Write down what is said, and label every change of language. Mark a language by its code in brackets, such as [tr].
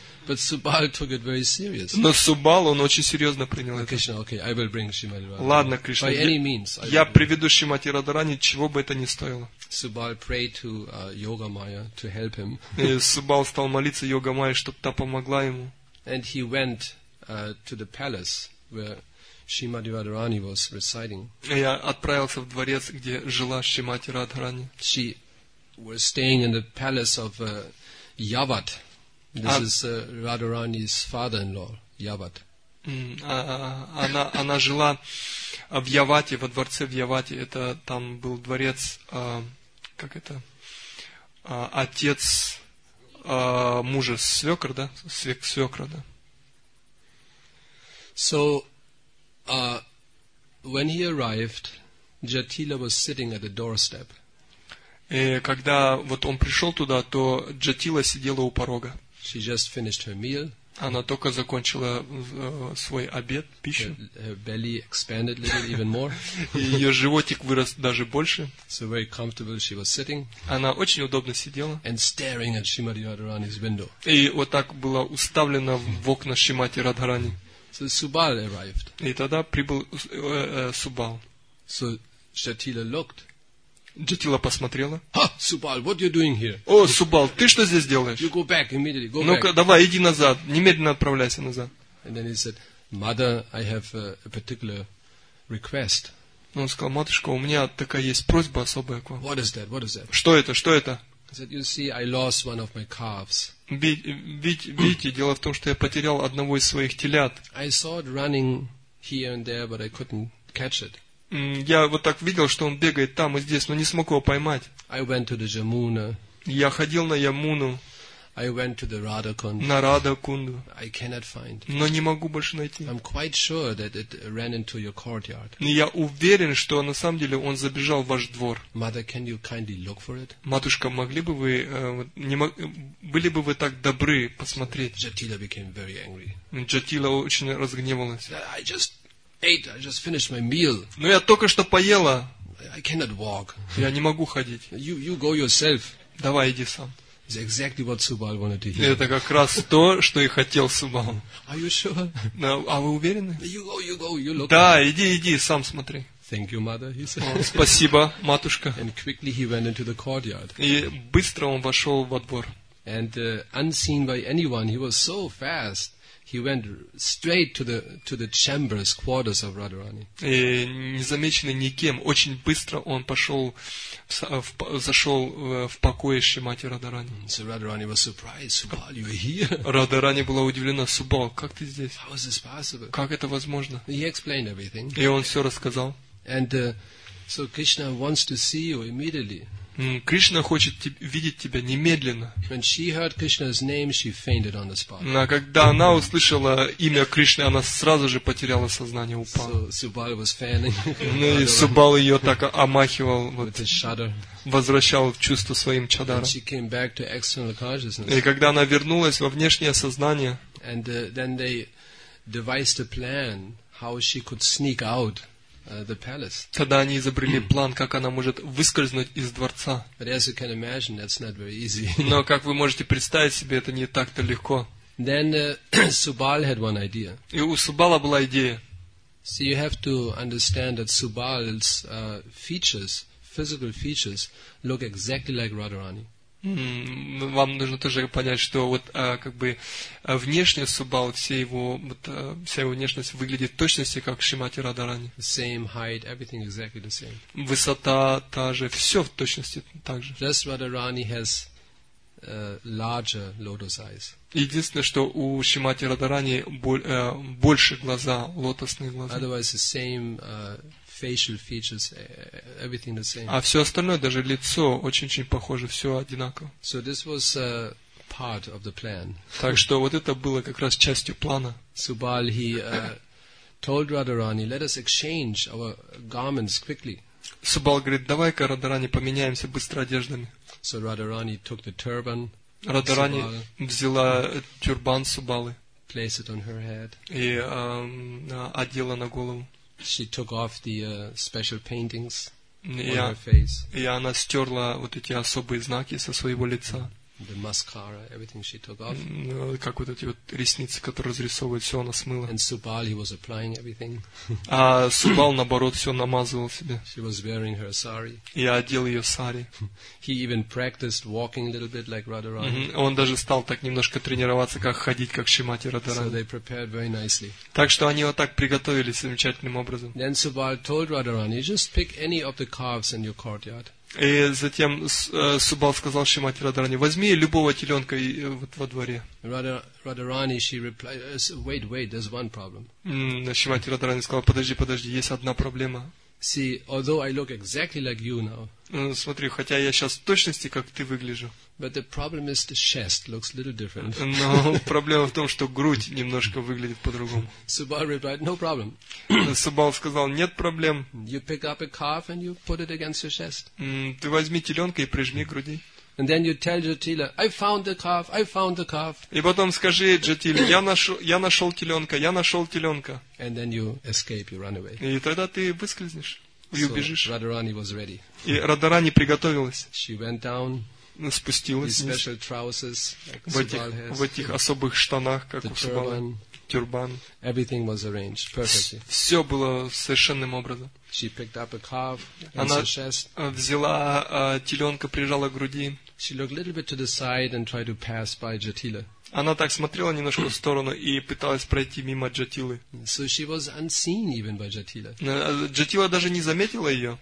[en] But Subal took it very seriously. [ru] Но Субал, он очень серьезно принял это. [en] Krishna, okay, I will bring Shrimati Radharani. [ru] Ладно, Кришна, [en] by any means, [ru] я приведу Шримати Радхарани, чего бы это ни стоило. [en] Subal prayed to Yoga Maya to help him. [ru] И Субал стал молиться Йога Майе, чтобы та помогла ему. [en] And he went to the palace where Shrimati Radharani was residing. [ru] И отправился в дворец, где жила Шримати Радхарани. [en] She was staying in the palace of Yavat. This is Radharani's father-in-law, Yavat. [ru] Она жила в Явате, во дворце в Явате. Это там был дворец, как это, отец мужа свекра, да? Свекра, да. [en] So, when he arrived, Jatila was sitting at the doorstep. [ru] И когда вот он пришел туда, то Джатила сидела у порога. [en] She just finished her meal. [ru] Она только закончила свой обед, пищу. [en] Her belly expanded a little, even more. [ru] Ее животик вырос даже больше. [en] So very comfortable she was sitting. [ru] Она очень удобно сидела. [en] And staring at Shrimati Radharani's window. [ru] И вот так было уставлено в окна Шримати Радхарани. [en] So Subal arrived. [ru] И тогда прибыл Субал. [en] So Jatila looked. [ru] Джатила посмотрела. [en] Ha, Subal, what you doing here? [ru] О, Субал, ты что здесь делаешь? [en] You go back immediately. Go [ru] Ну-ка, [en] back. [ru] Давай, иди назад. Немедленно отправляйся назад. [en] And then he said, Mother, I have a particular request. [ru] Он сказал, матушка, у меня такая есть просьба особая к вам. [en] What is that? What is that? [ru] Что это? Что это? [en] He said, you see, I lost one of my calves. [ru] Видите, дело в том, что я потерял одного из своих телят. [en] I saw it running here and there, but I couldn't catch it. [ru] Я вот так видел, что он бегает там и здесь, но не смог его поймать. [en] I went to the Jamuna. [ru] Я ходил на Ямуну. [en] I went to the Radhakund. [ru] На Радхакунду. [en] I cannot find. [ru] Но не могу больше найти. [en] I'm quite sure that it ran into your courtyard. [ru] Я уверен, что на самом деле он забежал в ваш двор. [en] Mother, can you kindly look for it? [ru] Матушка, могли бы вы были бы вы так добры посмотреть? [en] Jatila became very angry. [ru] Jatila очень разгневалась. [en] I just finished my meal. [ru] Ну я только что поела. [en] I cannot walk. [ru] Я не могу ходить. [en] You go yourself. [ru] Давай иди сам. [en] It's exactly what Subal wanted to hear. [ru] Это как раз то, что и хотел Субал. [en] Are you sure? [ru] А вы уверены? [en] You go. You look. [ru] Да, иди, сам смотри. [en] Thank you, mother. He said. [ru] Спасибо, матушка. [en] And quickly he went into the courtyard. [ru] И быстро он вошел во двор. [en] And unseen by anyone, he was so fast. He went straight to the chambers, quarters of Radharani. [ru] Незамеченный никем, очень быстро он пошел, зашел в покои Шримати Радхарани. [en] So Radharani was surprised. Subal, you're here. [ru] Радхарани была удивлена. Субал, как ты здесь? [en] How is this possible? [ru] Как это возможно? [en] He explained everything. [ru] И он все рассказал. [en] And so Krishna wants to see you immediately. [ru] Кришна хочет видеть тебя немедленно. [en] When she heard Krishna's name, she fainted on the spot. [ru] Но когда она услышала имя Кришны, она сразу же потеряла сознание, упала. [en] So Subal was fanning. [ru] Ну и Субал ее так омахивал, возвращал в чувство своим чадаром. [en] She came back to external consciousness. [ru] И когда она вернулась во внешнее сознание, [en] and then they devised a plan how she could sneak out. The palace. [ru] Тогда они изобрели план, как она может выскользнуть из дворца. [en] But as you can imagine, that's not very easy. [ru] Но как вы можете представить себе, это не так-то легко. [en] Then Subal had one idea. [ru] И у Субала была идея. [en] So you have to understand that Subal's features, physical features, look exactly like Radharani. [ru] Вам нужно тоже понять, что вот как бы внешне Субал, вся его внешность выглядит в точности как Шримати Радхарани. [en] Same height, everything exactly the same. [ru] Высота та же, все в точности так же. [en] Just Radharani has larger lotus eyes. [ru] Единственное, что у Шримати Радхарани больше глаза, лотосные глаза. [en] Otherwise the same facial features, everything the same. [ru] А все остальное, даже лицо, очень-очень похоже, все одинаково. [en] So this was part of the plan. [ru] Так что вот это было как раз частью плана. [en] Subal, he told Radharani, let us exchange our garments quickly. [ru] Субал говорит, давай-ка, Радхарани, поменяемся быстро одеждами. [en] So Radharani took the turban. [ru] Радхарани взяла тюрбан Субалы. [en] Placed it on her head. [ru] И одела на голову. [en] She took off the special paintings on her face. [ru] И она стерла вот эти особые знаки со своего лица. [en] The mascara, everything she took off. [ru] Как вот эти вот ресницы, которые разрисовывают, все она смыла. [en] And Subal, he was applying everything. [ru] А Субал, наоборот, все намазывал себе. [en] She was wearing her sari. [ru] И одел ее сари. [en] He even practiced walking a little bit like Radharani. [ru] Он даже стал так немножко тренироваться, как ходить, как Шримати Радхарани. [en] So they prepared very nicely. [ru] Так что они вот так приготовились замечательным образом. [en] Then Subal told Radharani, just pick any of the calves in your courtyard. [ru] И затем Субал сказал Шримати Радарани: возьми любого теленка вот во дворе. [en] Радарани, she replied, wait, wait, there's one problem. [ru] Шримати Радарани сказал: подожди, подожди, есть одна проблема. [en] See, although I look exactly like you now. [ru] Смотри, хотя я сейчас в точности как ты выгляжу. [en] But the problem is the chest looks a little different. [ru] Но проблема в том, что грудь немножко выглядит по-другому. [en] Subal replied, no problem. [ru] Subal сказал: нет проблем. [en] You pick up a calf and you put it against your chest. [ru] Ты возьми теленка и прижми к груди. [en] And then you tell Jatila, I found the calf, I found the calf. [ru] И потом скажи Джатиле: я нашел теленка, я нашел теленка. [en] And then you escape, you run away. [ru] И тогда ты выскользнешь и убежишь. [en] So Radharani was ready. [ru] И Радарани приготовилась. [en] She went down. [ru] Спустилась [en] in special trousers, like [ru] в этих особых штанах, как у Субала, тюрбан. [en] Everything was arranged perfectly. [ru] Все было совершенным образом. [en] She picked up a calf. [ru] Она взяла теленка, прижала к груди. [en] She looked a little bit to the side and tried to pass by Jatila. [ru] Она так смотрела немножко в сторону и пыталась пройти мимо Джатилы. [en] So she was unseen even by Jatila. [ru] Джатила даже не заметила ее.